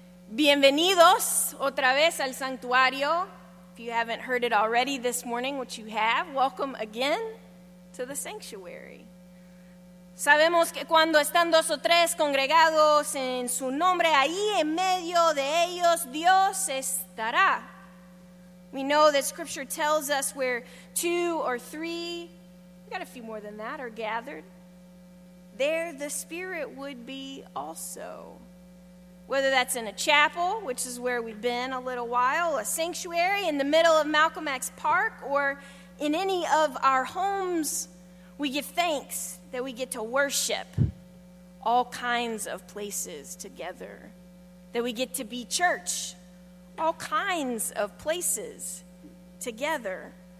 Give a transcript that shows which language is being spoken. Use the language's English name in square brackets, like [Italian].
[Spanish] Bienvenidos otra vez al santuario. [English] If you haven't heard it already this morning, which you have, welcome again to the sanctuary. [Spanish] Sabemos que cuando están dos o tres congregados en su nombre, ahí en medio de ellos, Dios estará. [English] We know that scripture tells us where two or three, we got a few more than that, are gathered, there the Spirit would be also. Whether that's in a chapel, which is where we've been a little while, a sanctuary in the middle of Malcolm X Park, or in any of our homes, we give thanks that we get to worship all kinds of places together, that we get to be church, all kinds of places together.